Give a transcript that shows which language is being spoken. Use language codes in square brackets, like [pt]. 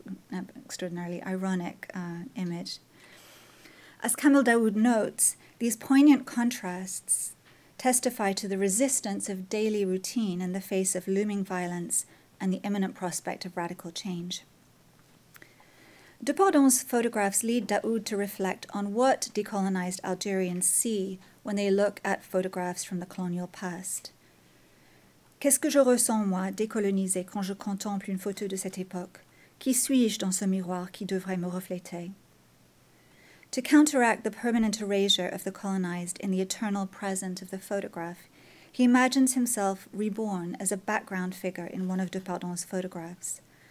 [en] An extraordinarily ironic image. As Kamel Daoud notes, these poignant contrasts testify to the resistance of daily routine in the face of looming violence and the imminent prospect of radical change. Depardon's photographs lead Daoud to reflect on what decolonized Algerians see when they look at photographs from the colonial past. [fr] Qu'est-ce que je ressens, moi, décolonisé, quand je contemple une photo de cette époque? Qui suis-je dans ce miroir qui devrait me refléter? [en] To counteract the permanent erasure of the colonized in the eternal present of the photograph, he imagines himself reborn as a background figure in one of Depardon's photographs.